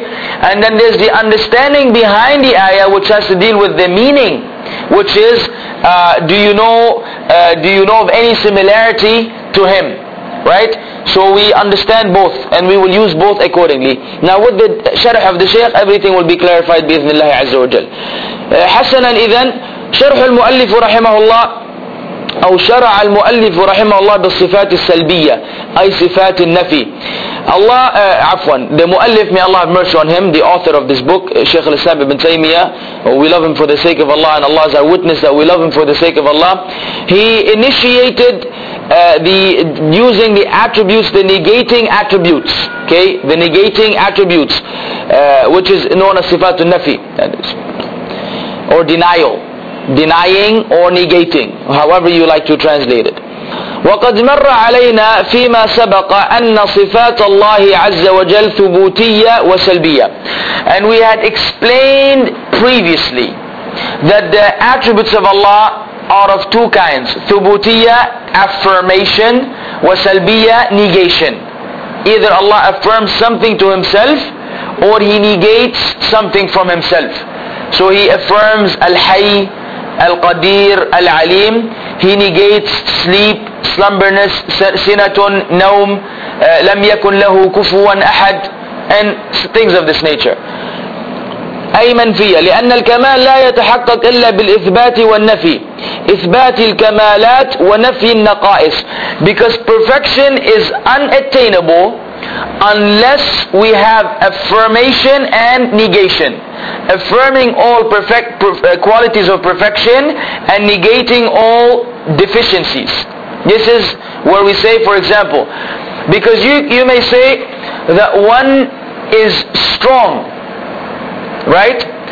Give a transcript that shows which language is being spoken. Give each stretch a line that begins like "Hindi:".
English: And then there's the understanding behind the ayah, which has to deal with the meaning, which is, do you know of any similarity to him? Right? So we understand both, and we will use both accordingly. Now with the sharh of the shaykh, everything will be clarified بإذنالله عز وجل.
Arabic: حسناً إذن شرح المؤلف رحمه الله أو شرع المؤلف رحمه الله بالصفات السلبية أي صفات النفي.
English: Allah, عفواً, the مؤلف, may Allah have mercy on him, the author of this book, Shaykh al-Islam ibn Taymiyyah, we love him for the sake of Allah, and Allah is our witness that we love him for the sake of Allah. He initiated using the attributes, the negating attributes, okay, the negating attributes, which is known as sifatun nafi, or denial, denying or negating, however you like to translate it.
Arabic: وقد مر علينا فيما سبق أن صفات الله عز وجل ثبوتية وسلبية.
English: And we had explained previously that the attributes of Allah are of two kinds: ثبوتية, affirmation, وسلبية, negation. Either Allah affirms something to Himself, or He negates something from Himself. So He affirms الحي, القدير, العليم. He negates sleep, slumberness, sinatun, naum, لم يكن له كفوا أحد, and things of this nature.
Arabic: أي منفية, لأن الكمال لا يتحقق إلا بالإثبات والنفي. إثبات الكمالات ونفي النقائص.
English: Because perfection is unattainable unless we have affirmation and negation. Affirming all perfect qualities of perfection and negating all deficiencies. This is where we say, for example, because you may say that one is strong, right?